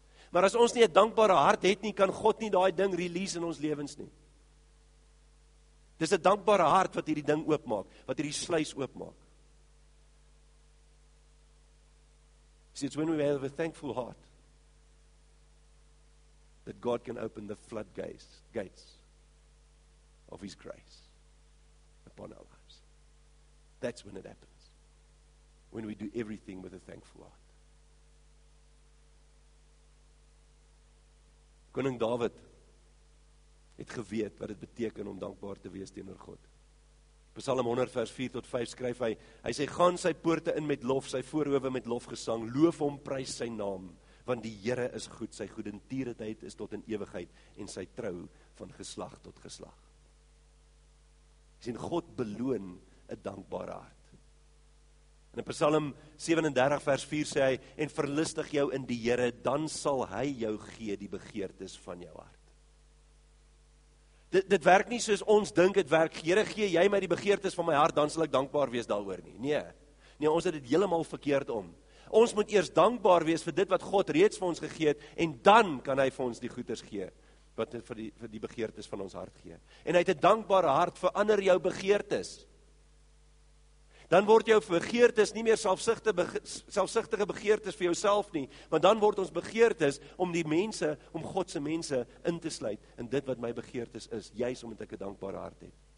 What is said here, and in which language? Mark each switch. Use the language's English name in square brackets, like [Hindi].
[Afrikaans] Maar as ons nie 'n dankbare hart het nie, kan God nie daai ding release in ons lewens nie. Dis 'n dankbare hart wat hierdie ding oopmaak, wat hierdie sluis oopmaak. [English] See, it's when we have a thankful heart that God can open the floodgates of his grace upon our lives. That's when it happens. When we do everything with a thankful heart. [Afrikaans] Koning David het geweet wat het beteken om dankbaar te wees teenoor God. Psalm 100 vers 4 tot 5 skryf hy, hy sê, gaan sy poorte in met lof, sy voorhoof met lofgesang, loof hom, prys sy naam, want die Here is goed, sy goedertierheid is tot in ewigheid, en sy trou van geslag tot geslag. Sien, God beloon 'n dankbare hart. En in Psalm 37 vers 4 sê hy, en verlustig jou in die Here, dan sal hy jou gee die begeertes van jou hart. Dit werk nie soos ons dink het werk, Here gee jy my die begeertes van my hart, dan sal ek dankbaar wees daaroor nie. Nee, ons het dit heeltemal verkeerd om. Ons moet eers dankbaar wees vir dit wat God reeds vir ons gegee het, en dan kan hy vir ons die goeders gee, wat vir die begeertes van ons hart gee. En uit 'n dankbare hart verander jou begeertes, dan word jou begeertes nie meer selfsugtige begeertes vir jouself nie, maar dan word ons begeertes om die mense, om God se mense in te sluit in dit wat my begeertes is, juis omdat ek 'n dankbare hart het.